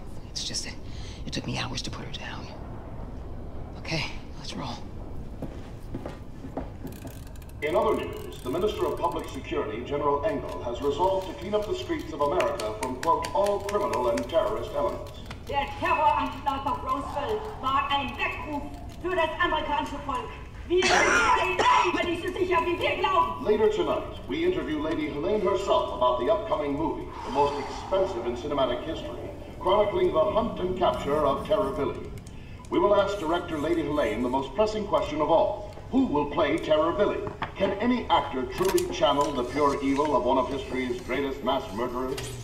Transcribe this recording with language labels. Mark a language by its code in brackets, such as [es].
[en] It's just that it took me hours to put her down. Okay, let's roll. In other news, the Minister of Public Security, General Engel, has resolved to clean up the streets of America from, quote, all criminal and terrorist elements. [de] Der Terror an die Stadt of Roosevelt war ein Weckruf für das amerikanische Volk. Wir sind hier nicht so sicher, wie wir glauben. [en] Later tonight, we interview Lady Helene herself about the upcoming movie, the most expensive in cinematic history, chronicling the hunt and capture of Terror Billy. We will ask director Lady Helene the most pressing question of all. Who will play Terror Billy? Can any actor truly channel the pure evil of one of history's greatest mass murderers?